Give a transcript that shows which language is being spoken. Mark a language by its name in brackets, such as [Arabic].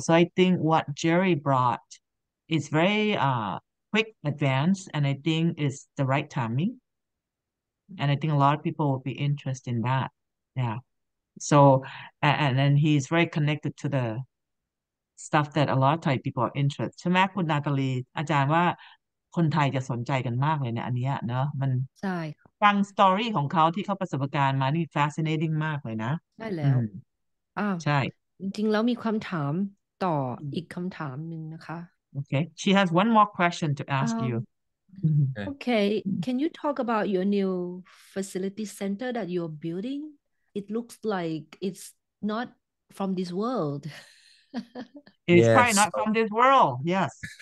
[English] So I think what Jerry brought is very quick advance, and I think is the right timing. And I think a lot of people will be interested in that. Yeah. So, and then he's very connected to the stuff that a lot of Thai people are interested. [Thai] ใช่ไหมคุณนาตาลีอาจารย์ว่าคนไทยจะสนใจกันมากเลยเนี่ยอันนี้เนอะมัน ใช่ ฟังสตอรี่ของเขาที่เขาประสบการณ์มานี่ fascinating มากเลยนะ ใช่แล อื้ว มใช่ จริงๆแล้วมีคำถามต่ออีกคำถามหนึ่งนะคะ [English] โอเค she has one more question to ask you Okay, can you talk about your new facility center that you're building? It looks like it's not from this world. It's probably not from this world. Yes.